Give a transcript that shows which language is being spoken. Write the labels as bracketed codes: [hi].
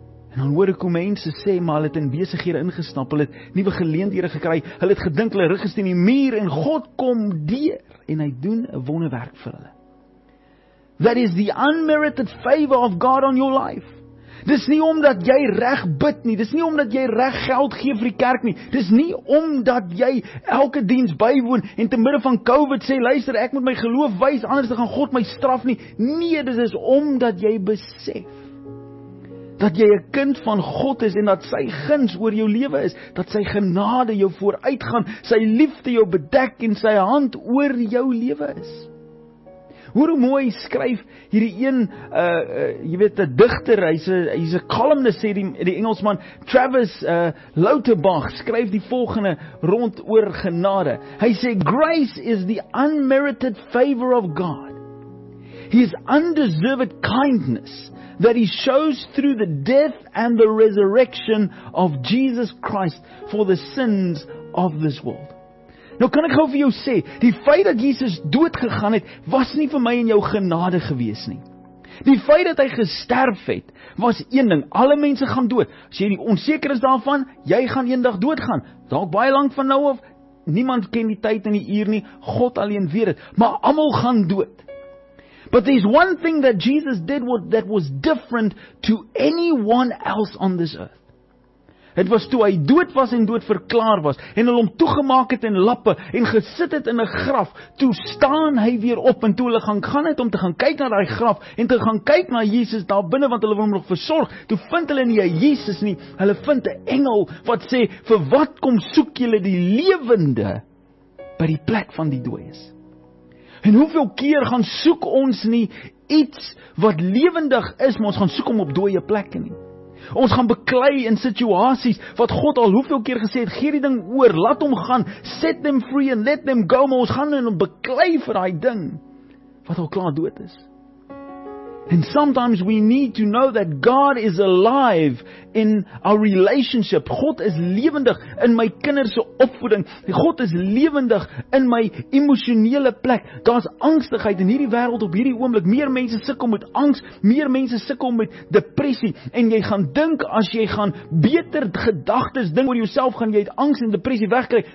[af] En dan hoor ek hoe mense sê, maar hulle het in besighede ingestap, hulle het nuwe geleenthede gekry, hulle het gedink hulle rug is teen die muur, en God kom deur, en hy doen 'n wonderwerk vir hulle. [en] That is the unmerited favor of God on your life. [af] Dis nie omdat jy reg bid nie, dis nie omdat jy reg geld gee vir die kerk nie, dis nie omdat jy elke diens bywoon, en te midde van COVID sê, luister, ek moet my geloof wys, anders gaan God my straf nie. Nee, dit is omdat jy besef, dat jy 'n kind van God is en dat sy guns oor jou lewe is, dat sy genade jou vooruitgaan, sy liefde jou bedek en sy hand oor jou lewe is. Hoor hoe mooi skryf hierdie een, jy weet, 'n digter, hy's 'n columnist, sê die Engelsman, Travis Lauterbach, skryf die volgende rond oor genade. Hy sê, [en] grace is the unmerited favor of God. His undeserved kindness that he shows through the death and the resurrection of Jesus Christ for the sins of this world. [af] Nou kan ek gou vir jou sê, die feit dat Jesus dood gegaan het, was nie vir my en jou genade gewees nie. Die feit dat hy gesterf het, was een ding, alle mense gaan dood. As jy nie onseker is daarvan, jy gaan eendag doodgaan. Dalk baie lank van nou af, niemand ken die tyd en die uur nie, God alleen weet dit. Maar almal gaan dood. [en] But there's one thing that Jesus did that was different to anyone else on this earth. [af] Het was toe hy dood was en dood verklaar was, en hulle hom toegemaak het in lappe, en gesit het in 'n graf, toe staan hy weer op, en toe hulle gaan het om te gaan kyk na die graf, en te gaan kyk na Jesus daar binne, want hulle wil hom nog versorg, toe vind hulle nie Jesus nie, hulle vind 'n engel, wat sê, vir wat kom soek julle die lewende, by die plek van die dooies? En hoeveel keer gaan soek ons nie, iets wat lewendig is, maar ons gaan soek hom op dooie plekke nie. Ons gaan beklei in situasies, wat God al hoeveel keer gesê het, gee die ding oor, laat hom gaan, [en] set them free and let them go, [af] maar ons gaan in hom beklei vir die ding, wat al klaar dood is. [en] And sometimes we need to know that God is alive in our relationship. [af] God is lewendig in my kinderse opvoeding. God is lewendig in my emosionele plek. Daar's angstigheid in hierdie wêreld op hierdie oomblik. Meer mense sukkel met angs, meer mense sukkel met depressie. En jy gaan dink as jy gaan beter gedagtes ding oor jouself gaan jy uit angs en depressie wegkry.